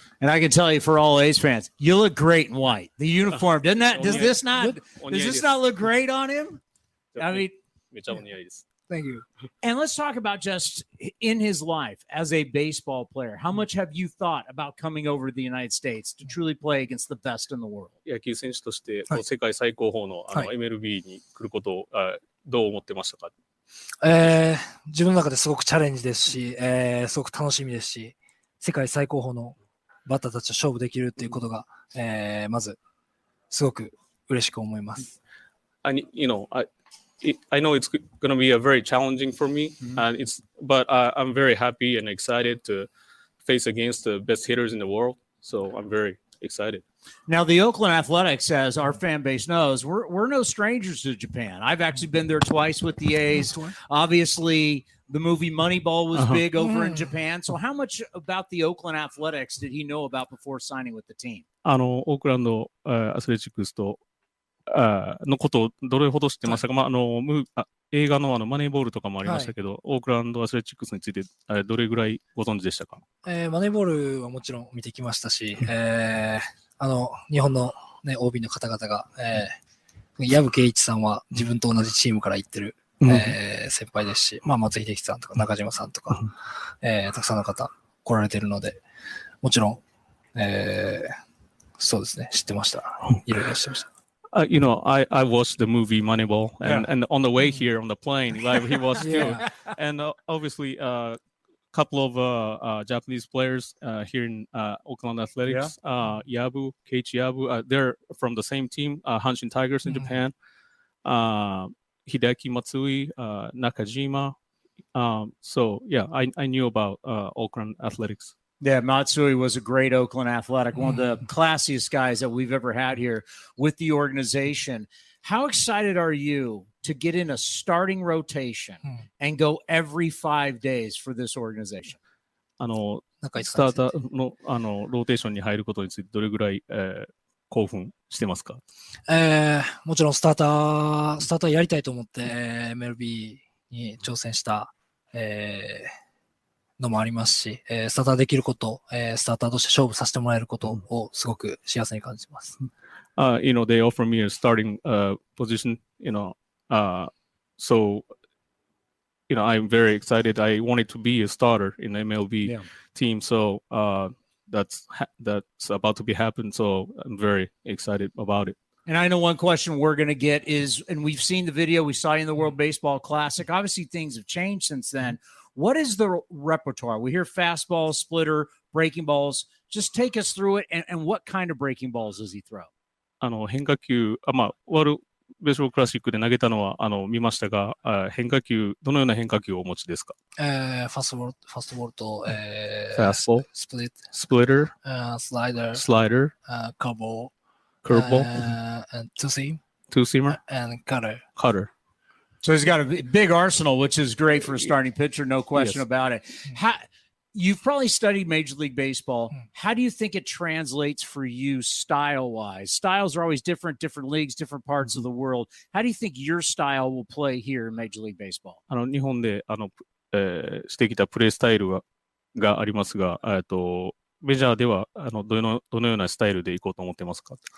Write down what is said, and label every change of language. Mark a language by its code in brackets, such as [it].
[en] And I can tell you, for all A's fans, you look great in white. The uniform, doesn't that does this not look great on him? Thank you. And let's talk about just in his life as a baseball player. How much have you thought about coming over to the United States to truly play against the best in the world? [ja] 野球選手として世界最高峰の、MLB に来ることを、どう思ってましたか？自分の中ですごくチャレンジですし、すごく楽しみですし、世界最高峰のバッターたちと勝負できるということが、まずすごく嬉しく思います。 [en] I know it's going to be a very challenging for me, and it's. But I'm very happy and excited to face against the best hitters in the world. So I'm very excited. Now, the Oakland Athletics, as our fan base knows, we're no strangers to Japan. I've actually been there twice with the A's. Obviously, the movie Moneyball was big over in Japan. So how much about the Oakland Athletics did he know about before signing with the team? Oakland Athletics to. [ja] のことをどれほど知ってましたか、まあ、映画 の、 マネーボールとかもありましたけど、はい、オークランドアスレチックスについてどれぐらいご存知でしたか、マネーボールはもちろん見てきましたし、日本の、ね、OB の方々が、矢部圭一さんは自分と同じチームから行ってる、先輩ですし、まあ、松井秀喜さんとか中島さんとか、たくさんの方来られてるのでもちろん、そうですね知ってましたいろいろ知ってました [en] You know, I watched the movie Moneyball, and on the way here on the plane, like he was too. Yeah. And obviously, a couple of Japanese players here in Oakland Athletics, Yabu, Keiichi Yabu, they're from the same team, Hanshin Tigers in Japan, Hideki Matsui, Nakajima. I knew about Oakland Athletics. Yeah, Matsui was a great Oakland Athletic, one of the classiest guys that we've ever had here with the organization. How excited are you to get in a starting rotation and go every 5 days for this organization? [ja] スターターの、ローテーションに入ることについてどれぐらい、興奮してますか？もちろんスターターやりたいと思って MLB に挑戦した、のもありますし、スターターできること、スターターとして勝負させてもらえることをすごく幸せに感じます。 [en] You know, they offer me a starting position, you know, so, you know, I'm very excited. I wanted to be a starter in the MLB team, so that's about to be happen, so I'm very excited about it. And I know one question we're going to get is, and we've seen the video, we saw in the World Baseball Classic, obviously things have changed since then. What is the repertoire? We hear fastball, splitter, breaking balls. Just take us through it, and what kind of breaking balls does he throw? [ja] 変化球、まあ、ベースボールクラシックで投げたのは見ましたが、変化球、どのような変化球をお持ちですか？ファストボール、ファストボールと、ファストボール、スプリット、スプリッター、スライダー、スライダー、カーブ、カーブ、ツーシーム、ツーシーム、カッター、カッター。 [en] So he's got a big arsenal, which is great for a starting pitcher, no question about it. How, you've probably studied Major League Baseball. How do you think it translates for you style-wise? Styles are always different, different leagues, different parts of the world. How do you think your style will play here in Major League Baseball? [ja] 日本で、してきたプレースタイルがありますが、メジャーでは、どのようなスタイルでいこうと思ってますか？